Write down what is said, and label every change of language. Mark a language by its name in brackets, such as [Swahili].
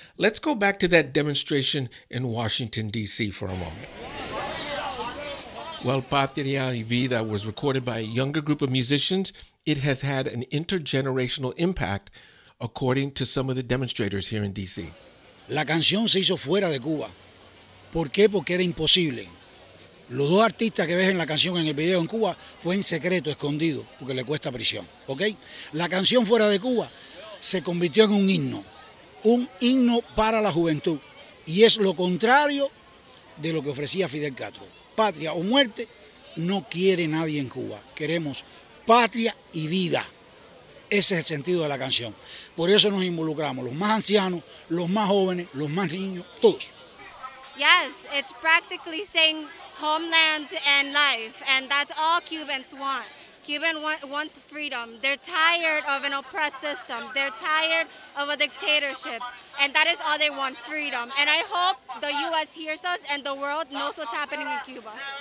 [English] Let's go back to that demonstration in Washington, D.C. for a moment. While Patria y Vida was recorded by a younger group of musicians, it has had an intergenerational impact, according to some of the demonstrators here in D.C. [Spanish] La canción se hizo fuera de Cuba. ¿Por qué? Porque era imposible. Los dos artistas que ves en la canción en el video en Cuba fue en secreto, escondido, porque le cuesta prisión, ¿ok? La canción fuera de Cuba se convirtió en un himno para la juventud. Y es lo contrario de lo que ofrecía Fidel Castro. Patria o muerte no quiere nadie en Cuba. Queremos patria y vida. Ese es el sentido de la canción. Por eso nos involucramos, los más ancianos, los más jóvenes, los más niños, todos. [English] Yes, it's practically saying homeland and life, and that's all Cubans want. Cubans wants freedom. They're tired of an oppressed system. They're tired of a dictatorship, and that is all they want, freedom. And I hope the U.S. hears us and the world knows what's happening in Cuba.